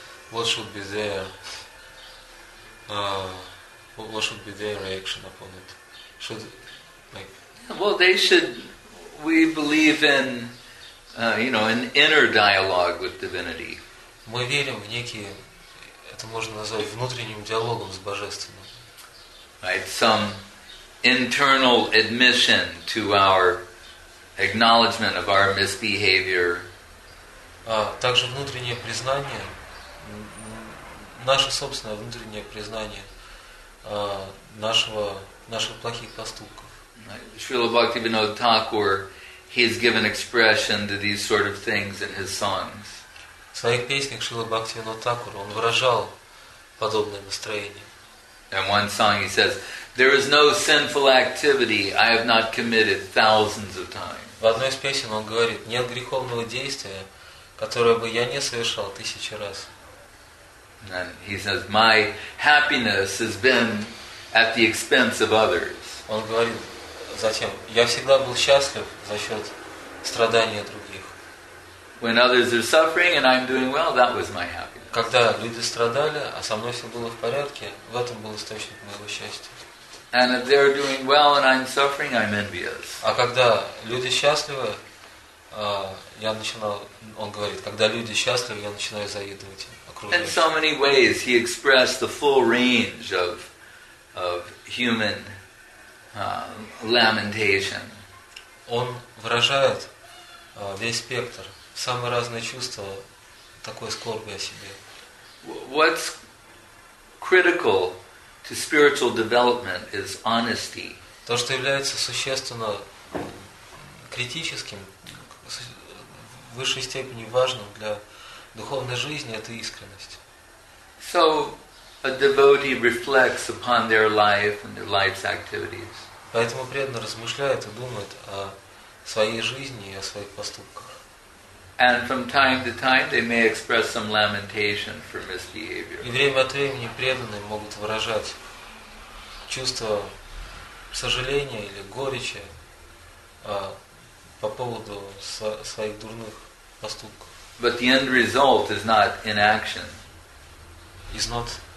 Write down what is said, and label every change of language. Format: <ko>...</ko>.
<en>What should be their what should be their reaction upon it? Should like well they should we believe in you know an inner dialogue with divinity.</en> <ru>Мы верим в некие это можно назвать внутренним диалогом с Божественным.</ru> <en>Right, some internal admission to our acknowledgement of our misbehavior.</en> <ru>Также внутреннее признание, наше собственное внутреннее признание наших плохих поступков.</ru> <en>Srila Bhaktivinoda Thakur, he has given expression to these sort of things in his songs.</en> <ru>В своих песнях Шрила Бхактивинода Такура он выражал подобное настроение.</ru> <en>In one song he says, "There is no sinful activity I have not committed thousands of times."</en> <ru>В одной из песен он говорит, нет греховного действия, которое бы я не совершал тысячи раз.</ru> <en>And he says, "My happiness has been at the expense of others."</en> <ru>Он говорит, затем, я всегда был счастлив за счет страдания других.</ru> <en>When others are suffering and I'm doing well, that was my happiness.</en> <ru>Когда люди страдали, а со мной все было в порядке, в этом был источник моего счастья.</ru> <en>And if they're doing well and I'm suffering, I'm envious.</en> <ru>А когда люди счастливы, я начинал, он говорит, когда люди счастливы, я начинаю завидовать им, окружающим.</ru> <en>In so many ways he expressed the full range of human lamentation.</en> <ru>Он выражает весь спектр самые разные чувства такой скорби о себе.</ru> <en>What's critical to spiritual development is honesty.</en> <ru>То, что является существенно критическим, в высшей степени важным для духовной жизни, это искренность.</ru> <en>So a devotee reflects upon their life and their life's activities.</en> <ru>Поэтому преданно размышляет и думает о своей жизни и о своих поступках.</ru> <en>And from time to time, they may express some lamentation for misbehavior.</en> <ru>И время от времени преданные могут выражать чувство сожаления или горечи по поводу своих дурных поступков.</ru> <en>But the end result is not inaction. Is not</en>